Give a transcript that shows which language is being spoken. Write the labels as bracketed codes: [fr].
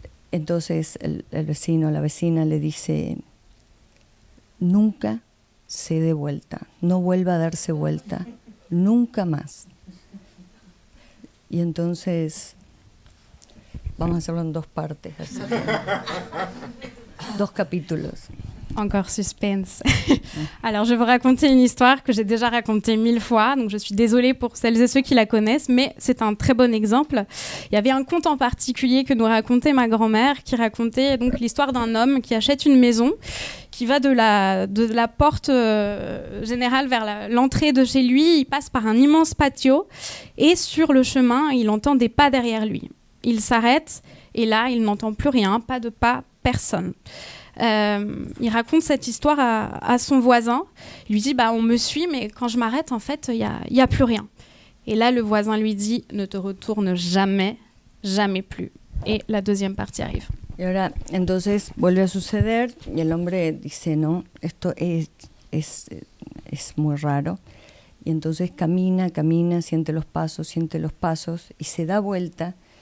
[es] Entonces el vecino, la vecina le dice, nunca se dé vuelta, no vuelva a darse vuelta, nunca más. Y entonces, vamos a hacerlo en dos partes, así que, dos capítulos. [fr] Encore suspense. Alors, je vais vous raconter une histoire que j'ai déjà racontée mille fois, donc je suis désolée pour celles et ceux qui la connaissent, mais c'est un très bon exemple. Il y avait un conte en particulier que nous racontait ma grand-mère, qui racontait donc l'histoire d'un homme qui achète une maison, qui va de la porte générale vers l'entrée de chez lui, il passe par un immense patio, et sur le chemin, il entend des pas derrière lui. Il s'arrête, et là, il n'entend plus rien, pas de pas, personne. Il raconte cette histoire à son voisin. Il lui dit, bah, on me suit, mais quand je m'arrête, en fait, il n'y a plus rien. Et là, le voisin lui dit, ne te retourne jamais, jamais plus. Et la deuxième partie arrive. [es] Et ahora, entonces, vuelve a suceder, y el hombre dice, no, esto es muy raro. Y entonces camina, camina, siente los pasos, y se da vuelta.